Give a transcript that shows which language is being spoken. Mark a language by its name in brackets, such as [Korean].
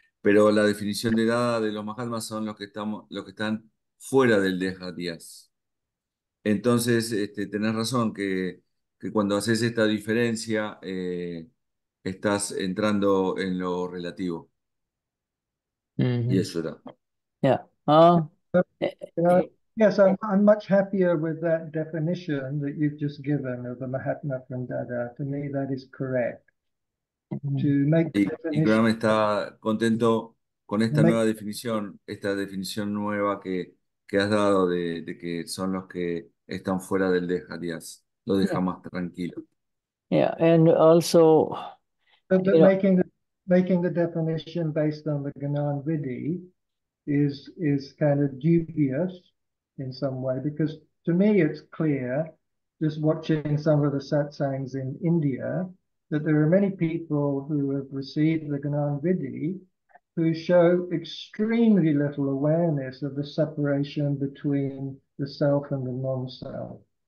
[Spanish] Pero la definición de dada de los Mahatmas son los que están fuera del Dehadhyaas. Entonces, tenés razón que cuando haces esta diferencia, estás entrando en lo relativo. Y eso era. [English] Yes, I'm much happier with that definition that you've just given of the Mahatma from Dada. To me, that is correct. To make the [Spanish] Y [English] definition, [Spanish] Graham está contento con [English] to make [Spanish] esta definición nueva que has dado de que son los que están fuera del Dehadhyaas, lo deja más tranquilo. [English] yeah, and also, But making the definition based on the Gnan Vidhi is kind of dubious in some way, because to me it's clear, just watching some of the satsangs in India, that there are many people who have received the Gnan Vidhi who show extremely little awareness of the separation between the self and the non-self.